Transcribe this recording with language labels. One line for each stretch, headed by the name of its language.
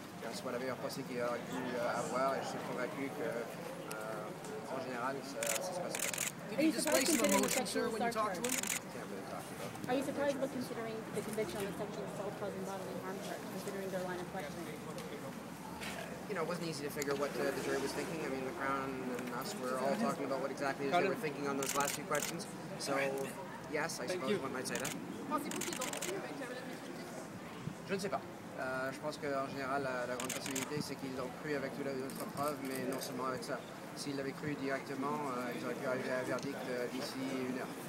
French: Soit la meilleure procès qu'il aurait pu avoir, et je suis convaincu que, en général, ça se passe bien.
English: Are you surprised considering the sexual assault charge? Can't really talk about it. Are you surprised about considering the conviction on the sexual assault causing bodily harm charge, considering their line of questioning? You know, it wasn't easy to figure what the jury was thinking. I mean, the Crown and us were all talking about what exactly they were thinking on those last few questions. So, yes, I suppose one might say that.
French: Je ne sais pas. Je pense qu'en général, la grande possibilité, c'est qu'ils ont cru avec toutes les autres preuves, mais non seulement avec ça. S'ils l'avaient cru directement, ils auraient pu arriver à un verdict d'ici une heure.